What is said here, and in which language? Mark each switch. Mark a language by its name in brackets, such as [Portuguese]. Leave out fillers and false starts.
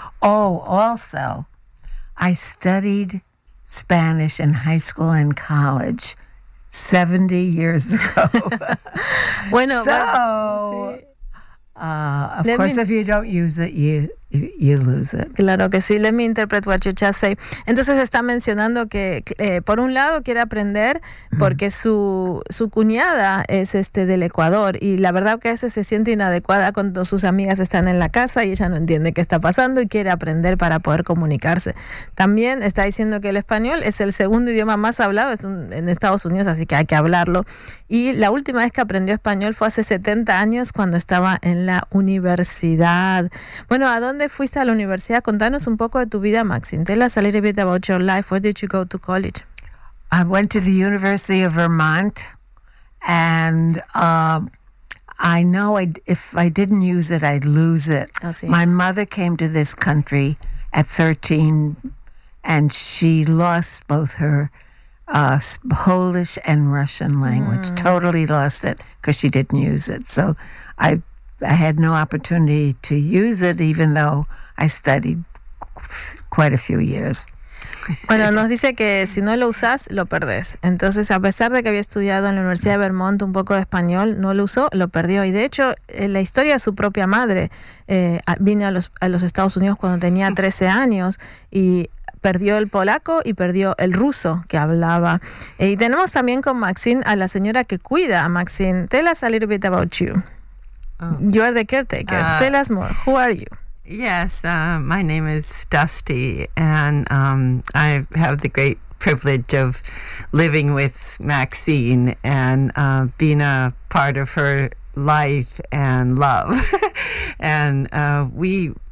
[English] Oh, also, I studied Spanish in high school and college 70 years ago. [Spanish] Bueno, [English] so, of course, if you don't use it, you lose it. [Spanish] Claro que sí. [English] Let me interpret what you just say. [Spanish] Entonces está mencionando que por un lado quiere aprender porque su cuñada es del Ecuador y la verdad que a veces se siente inadecuada cuando sus amigas están en la casa y ella no entiende qué está pasando y quiere aprender para poder comunicarse. También está diciendo que el español es el segundo idioma más hablado en Estados Unidos, así que hay que hablarlo. Y la última vez que aprendió español fue hace 70 años cuando estaba en la universidad. Bueno, ¿a dónde fuiste a la universidad? Contanos un poco de tu vida, Maxine. [English] Tell us a little bit about your life. Where did you go to college? I went to the University of Vermont, and I know if I didn't use it, I'd lose it. [Spanish] Oh, sí. [English] My mother came to this country at 13, and she lost both her Polish and Russian language. Mm. Totally lost it because she didn't use it. So I had no opportunity to use it, even though I studied quite a few years. [Spanish] Bueno, nos dice que si no lo usas, lo perdés. Entonces, a pesar de que había estudiado en la Universidad de Vermont un poco de español, no lo usó, lo perdió. Y de hecho, la historia de su propia madre, vino a los Estados Unidos cuando tenía 13 años y perdió el polaco y perdió el ruso que hablaba. Y tenemos también con Maxine a la señora que cuida a Maxine. [English] Tell us a little bit about you. Oh. You are the caretaker. Tell us more. Who are you? Yes, my name is Dusty, and I have the great privilege of living with Maxine and being a part of her life and love. And we